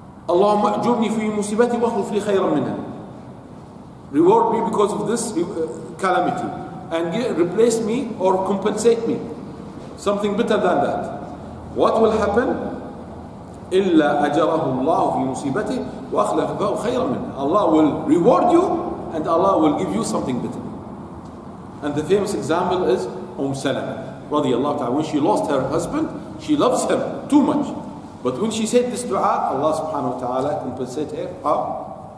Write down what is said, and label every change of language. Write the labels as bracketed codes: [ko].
[ar] اللهم اجرني في مصيبتي واخلف لي خيرا منها. [en] Reward me because of this calamity and replace me or compensate me something better than that. What will happen? [ar] إلا أجره الله في مصيبتي واخلف له خيرا منها. [en] Allah will reward you and Allah will give you something better. And the famous example is Umm Salam [ar] رضي الله تعالى. [en] When she lost her husband, she loves him too much. But when she said this dua, Allah subhanahu wa ta'ala compensated her. How?